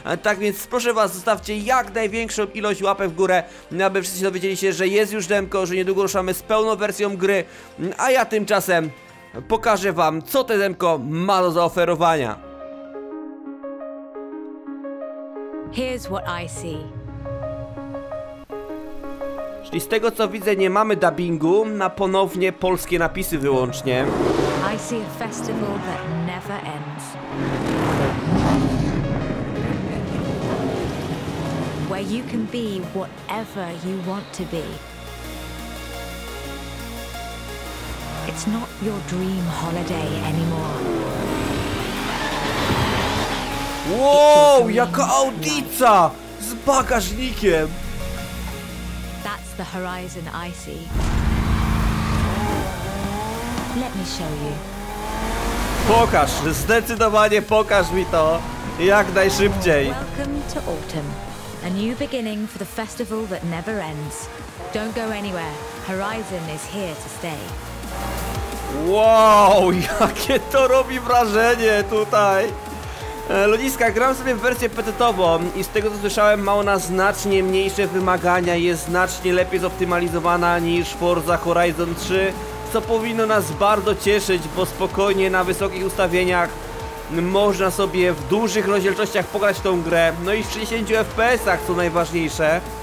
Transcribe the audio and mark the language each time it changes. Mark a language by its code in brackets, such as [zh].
[pl] Tak więc proszę was, zostawcie jak największą ilość łapek w górę, aby wszyscy dowiedzieli się, że jest już demko, że niedługo ruszamy z pełną wersją gry, a ja tymczasem pokażę wam, co to demko ma do zaoferowania. [en] Here's what I see. [pl] Czyli z tego co widzę, nie mamy dubbingu, na ponownie polskie napisy wyłącznie. [en] I see a festival that never ends. Where you can be whatever you want to be. It's not your dream holiday anymore. [pl] Wow, jaka audica! Z bagażnikiem! [en] That's the horizon I see. Let me show you. [pl] Pokaż, zdecydowanie pokaż mi to jak najszybciej. [en] Welcome to autumn. A new beginning for the festival that never ends. Don't go anywhere. Horizon is here to stay. [pl] Wow, jakie to robi wrażenie tutaj. Ludziska, gram sobie w wersję PC-tową i z tego co słyszałem, ma ona znacznie mniejsze wymagania, jest znacznie lepiej zoptymalizowana niż Forza Horizon 3, co powinno nas bardzo cieszyć, bo spokojnie na wysokich ustawieniach można sobie w dużych rozdzielczościach pograć tą grę, no i w 60 FPS-ach, co najważniejsze.